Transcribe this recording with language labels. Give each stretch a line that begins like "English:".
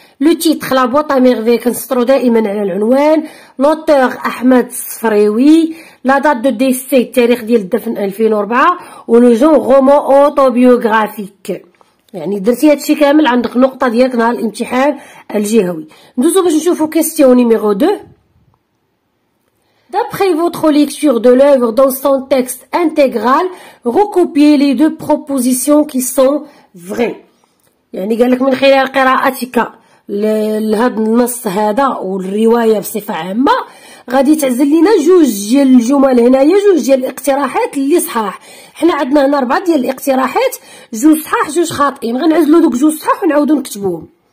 Arabic: لو تيتغ لا بواطا ميرفي كنسطرو دائما على العنوان، لوتور احمد صفريوي، لا دات دو ديسي التاريخ ديال الدفن 2004، ولو جون غومو اوتوبيوغرافيك، يعني درتي هادشي كامل عندك نقطه ديالك نهار الامتحان الجهوي. ندوزو باش نشوفو كيستيون نيميرو 2.
French: D'après votre lecture de l'œuvre dans son texte intégral, recopiez les deux propositions qui sont vraies.
Arabic: يعني قال لك من خلال قراءتك لهذا النص هذا والروايه بصفه عامه غادي تعزل لنا جوج ديال الجمل هنايا، جوج ديال الاقتراحات اللي صحاح. حنا عندنا هنا 4 ديال الاقتراحات، جوج صحاح جوج خاطئين، غنعزلوا دوك جوج صحاح ونعاودوا نكتبوهم.